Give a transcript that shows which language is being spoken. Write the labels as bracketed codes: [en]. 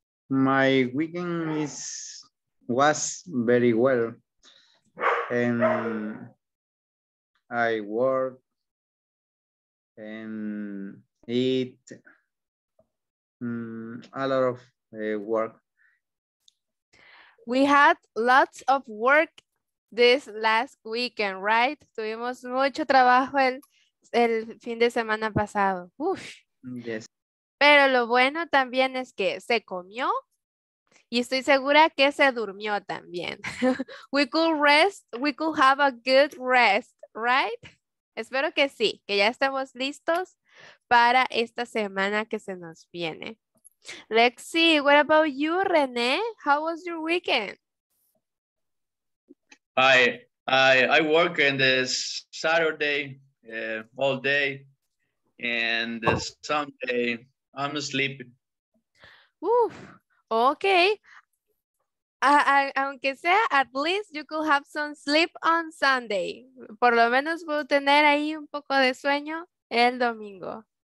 [en] My weekend was very well, and I work and eat a lot of work. We had lots of work this last weekend, right? [es] Tuvimos mucho trabajo el fin de semana pasado. Uf. [en] Yes. [es] Pero lo bueno también es que se comió y estoy segura que se durmió también. [en] We could rest, we could have a good rest, right? [es] Espero que sí, que ya estemos listos para esta semana que se nos viene. [en] Lexi, what about you, René? How was your weekend? I work on this Saturday all day, and Sunday I'm sleeping. Oof. Okay. [es] Aunque sea, [en] at least you could have some sleep on Sunday. [es] Por lo menos voy a tener ahí un poco de sueño el domingo.